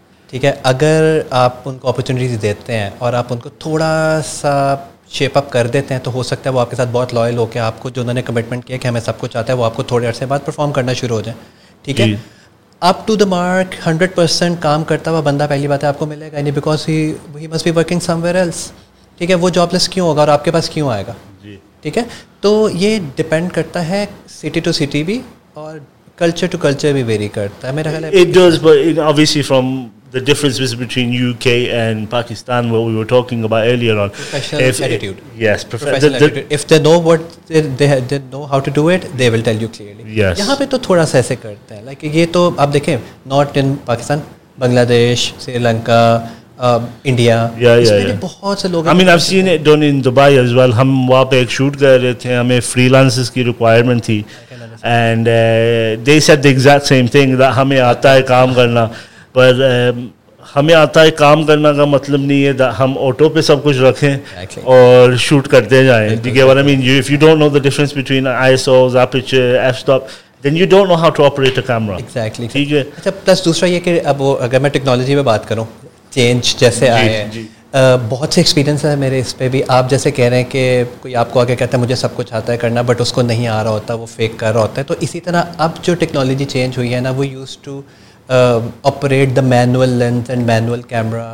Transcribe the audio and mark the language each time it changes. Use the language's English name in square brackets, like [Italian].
[Hindi] ठीक है अगर आप उनको अपॉर्चुनिटीज देते हैं और आप उनको थोड़ा सा शेप अप कर देते हैं तो हो सकता है वो आपके साथ बहुत लॉयल हो के आपको जो उन्होंने कमिटमेंट किया कि हमें सब कुछ आता है वो आपको थोड़े अरसे बाद परफॉर्म करना शुरू हो जाए ठीक है [English] up to the mark [Hindi] 100% काम करता हुआ बंदा पहली बात है आपको मिलेगा नहीं [English] because he must be working somewhere else [Hindi] ठीक है वो जॉबलेस क्यों होगा और आपके पास क्यों आएगा ठीक है तो ये डिपेंड करता है सिटी टू सिटी भी और कल्चर टू कल्चर भी वेरी करता है मेरा ख्याल [English] It does but obviously from The difference is between UK and Pakistan, what we were talking about earlier on. Professional attitude. If they know what they know how to do it, they will tell you clearly. Yes. [Hindi] यहाँ पे तो थोड़ा सा ऐसे करते हैं. [English] Like [Hindi] ये तो आप देखें, [English] not in Pakistan, Bangladesh, Sri Lanka, India. Yeah. [Hindi] बहुत से लोग. [English] I mean, I've seen it done in Dubai as well. [Hindi] हम वहाँ पे एक shoot कर रहे थे. हमें freelancers की requirement थी. [English] And they said the exact same thing that [Hindi] हमें आता है काम करना. पर हमें आता है काम करना का मतलब नहीं है हम ऑटो पे सब कुछ रखें और शूट करते जाएं [English] because what I mean you if you don't know the difference between ISO aperture F stop then you don't know how to operate a camera exactly [Hindi] ठीक है अच्छा प्लस दूसरा ये कि अब अगर मैं टेक्नोलॉजी में बात करूं चेंज जैसे आए बहुत से एक्सपीरियंस है मेरे इस पर भी आप जैसे कह रहे हैं कि कोई आपको आगे कहता है मुझे सब कुछ आता है करना बट उसको नहीं आ रहा होता वो फेक कर रहा होता है तो इसी तरह अब जो टेक्नोलॉजी चेंज हुई है ना वो [English] used to operate the manual lens and manual camera